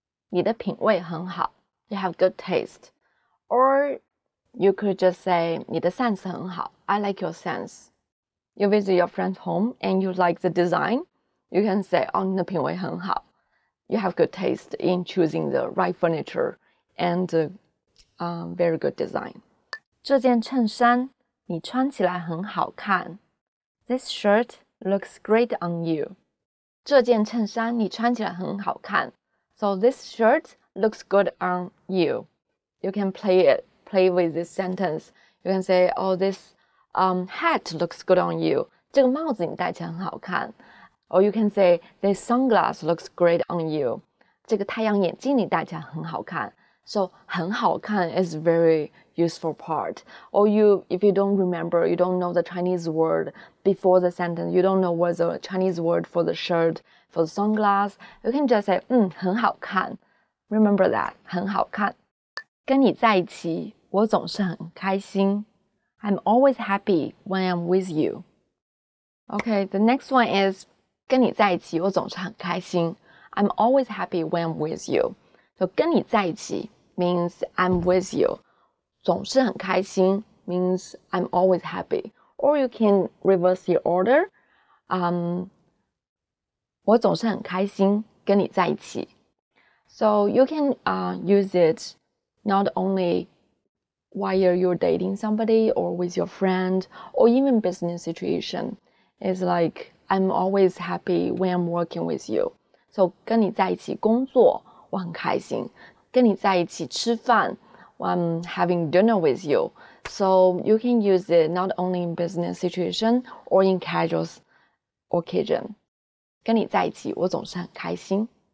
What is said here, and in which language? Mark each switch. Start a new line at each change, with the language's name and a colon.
Chinese: 你的品味很好.
English: You have good taste. Or you could just say
Chinese: 你的sense很好.
English: I like your sense. You visit your friend's home and you like the design. You can say
Chinese: 哦，你的品味很好.
English: You have good taste in choosing the right furniture and very good design.
Chinese: 这件衬衫你穿起来很好看.
English: This shirt looks great on you.
Chinese: 这件衬衫你穿起来很好看.
English: So this shirt looks good on you. You can play with this sentence. You can say, oh, this hat looks good on you.
Chinese: 这个帽子你戴起来很好看.
English: Or you can say, this sunglass looks great on you.
Chinese: 这个太阳眼镜你戴起来很好看.
English: So
Chinese: 很好看
English: is very useful part. Or if you don't remember, you don't know the Chinese word before the sentence, you don't know what the Chinese word for the shirt, for the sunglass, you can just say
Chinese: 很好看.
English: Remember that,
Chinese: 很好看. 跟你在一起我总是很开心.
English: I'm always happy when I'm with you. Okay, the next one is
Chinese: 跟你在一起我总是很开心.
English: I'm always happy when I'm with you. So
Chinese: 跟你在一起
English: means I'm with you.
Chinese: 总是很开心
English: means I'm always happy. Or you can reverse the order.
Chinese: 我总是很开心跟你在一起.
English: So you can use it not only while you're dating somebody or with your friend or even business situation. It's like, I'm always happy when I'm working with you.
Chinese: So 跟你在一起工作我很开心. 跟你在一起吃饭,
English: I'm having dinner with you. So you can use it not only in business situation or in casual occasion.
Chinese: 跟你在一起我总是很开心.